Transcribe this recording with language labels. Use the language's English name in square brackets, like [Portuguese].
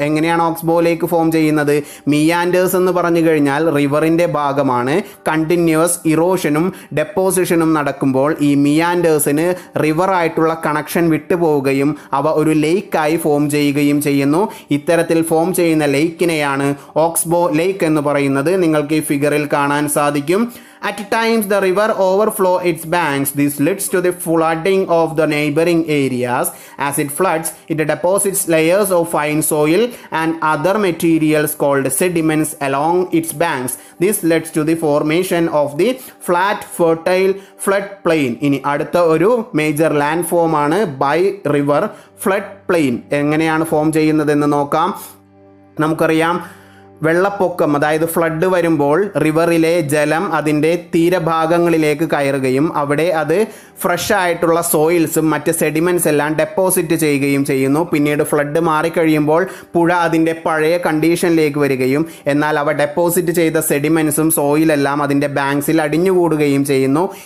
[Malayalam] എങ്ങനെയാണ് ഓക്സ്ബോ ലേക്ക് ഫോം ചെയ്യുന്നത്? മിയാൻഡേഴ്സ് എന്ന് പറഞ്ഞു കഴിഞ്ഞാൽ റിവറിൻ്റെ ഭാഗമാണ്. കണ്ടിന്യൂസ് ഇറോഷനും ഡെപ്പോസിഷനും നടക്കുമ്പോൾ ഈ മിയാൻഡേഴ്സിന് റിവറായിട്ടുള്ള കണക്ഷൻ വിട്ടുപോവുകയും അവ ഒരു ലേക്കായി ഫോം ചെയ്യുകയും ചെയ്യുന്നു. ഇത്തരത്തിൽ ഫോം ചെയ്യുന്ന ലേക്കിനെയാണ് ഓക്സ്ബോ ലേക്ക് എന്ന് പറയുന്നത്. നിങ്ങൾക്ക് ഈ ഫിഗറിൽ കാണാൻ സാധിക്കും. [English] At times the river overflow its banks. This leads to the flooding of the neighboring areas. As it floods, it deposits layers of fine soil and other materials called sediments along its banks. This leads to the formation of the flat, fertile floodplain. [Malayalam] ഇനി അടുത്ത ഒരു major landform ആണ് by river floodplain. എങ്ങനെയാണ് form ചെയ്യുന്നതെന്ന് നോക്കാം. നമുക്കറിയാം, വെള്ളപ്പൊക്കം അതായത് ഫ്ലഡ് വരുമ്പോൾ റിവറിലെ ജലം അതിൻ്റെ തീരഭാഗങ്ങളിലേക്ക് കയറുകയും അവിടെ അത് ഫ്രഷായിട്ടുള്ള സോയിൽസും മറ്റ് സെഡിമെൻസ് എല്ലാം ഡെപ്പോസിറ്റ് ചെയ്യുകയും ചെയ്യുന്നു. പിന്നീട് ഫ്ലഡ് മാറിക്കഴിയുമ്പോൾ പുഴ അതിൻ്റെ പഴയ കണ്ടീഷനിലേക്ക് വരികയും എന്നാൽ അവ ഡെപ്പോസിറ്റ് ചെയ്ത സെഡിമെൻസും സോയിലെല്ലാം അതിൻ്റെ ബാങ്ക്സിൽ അടിഞ്ഞുകൂടുകയും ചെയ്യുന്നു.